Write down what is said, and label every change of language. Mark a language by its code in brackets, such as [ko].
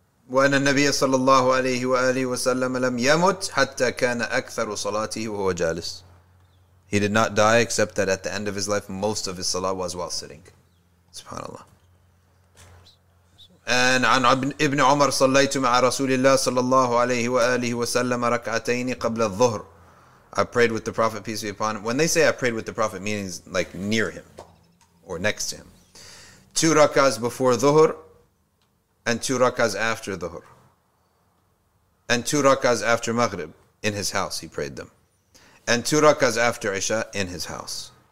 [ar] وأن النبي صلى الله عليه وآله وسلم لم يمت حتى كان أكثر صلاته وهو جالس. [en] He did not die except that at the end of his life, most of his salah was while sitting. Subhanallah. And [ar] عن ابن عمر صليت مع رسول الله صلى الله عليه وآله وسلم ركعتين قبل الظهر. [en] I prayed with the Prophet, peace be upon him. When they say I prayed with the Prophet, meaning like near him or next to him. Two rak'ahs before dhuhr and two rak'ahs after dhuhr. And two rak'ahs after maghrib in his house, he prayed them. And two rak'ahs after Isha in his house.